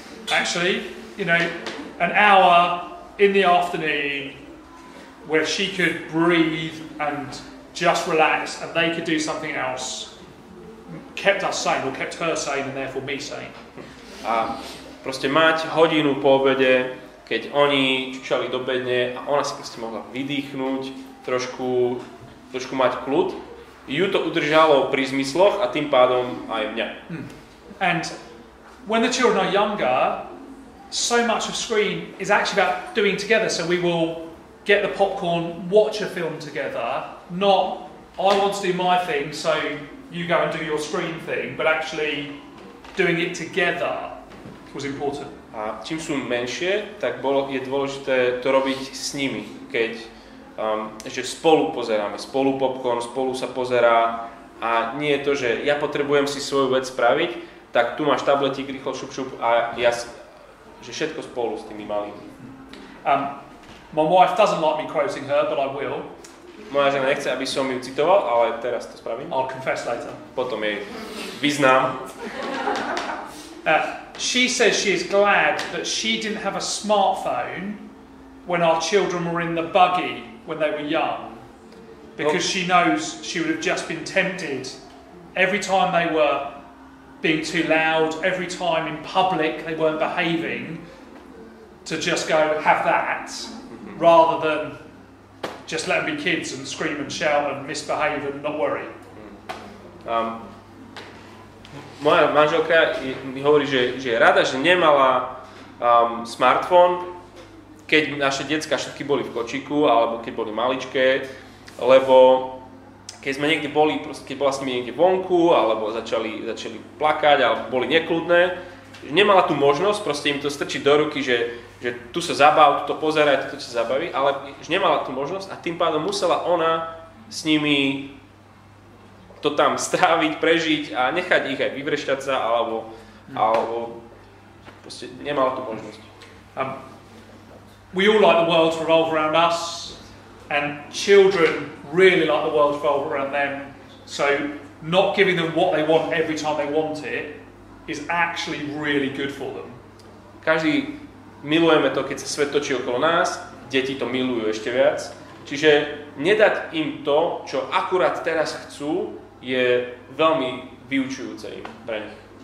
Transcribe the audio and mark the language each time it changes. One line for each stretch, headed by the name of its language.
English: Actually, you know, an hour in the afternoon where she could breathe and just relax and they could do something else kept us sane, or kept her sane and therefore me sane.
Slovak: A proste mať hodinu po obede, keď oni čučali do bedne a ona si proste mohla vydýchnuť, trošku mať kľud, ju to udržalo pri zmysloch a tým pádom aj mňa.
English: And when the children are younger, so much of screen is actually about doing together. So we will get the popcorn, watch a film together, not I want to do my thing, so you go and do your screen thing, but actually doing it together was important.
Slovak: A čím sú menšie, tak bolo, je dôležité to robiť s nimi, keď ešte spolu pozeráme, spolu popcorn, spolu sa pozerá a nie je to, že ja potrebujem si svoju vec spraviť, tak tu máš tabletík, rýchlo šup šup a ja, že všetko spolu s tými malými.
English: My wife doesn't like me quoting her, but I will.
Slovak: Moja žena nechce, aby som ju citoval, ale teraz to spravím.
English: I'll confess later.
Slovak: Potom jej vyznám.
English: She says she is glad that she didn't have a smartphone when our children were in the buggy when they were young, because she knows she would have just been tempted every time they were being too loud, every time in public they weren't behaving, to just go have that, rather than just let them be kids and scream and shout and misbehave and not worry.
Slovak: Moja manželka mi hovorí, že je rada, že nemala smartfón, keď naše decka všetky boli v kočíku, alebo keď boli maličké, lebo keď sme niekde boli, proste keď bola s nimi niekde vonku, alebo začali plakať, alebo boli nekľudné, že nemala tú možnosť proste im to strčiť do ruky, že tu sa zabav, tu to pozeraj, tu to sa zabaví, ale že nemala tú možnosť a tým pádom musela ona s nimi to tam stráviť, prežiť a nechať ich aj vyvrešťať sa, alebo proste nemala tú možnosť.
English: We all like the world to revolve around us, and children really like the world to revolve around them, so not giving them what they want every time they want it is actually really good for them.
Slovak: Každý milujeme to, keď sa svet točí okolo nás, deti to milujú ešte viac, čiže nedať im to, čo akurát teraz chcú, je veľmi vyučujúce im pre nich.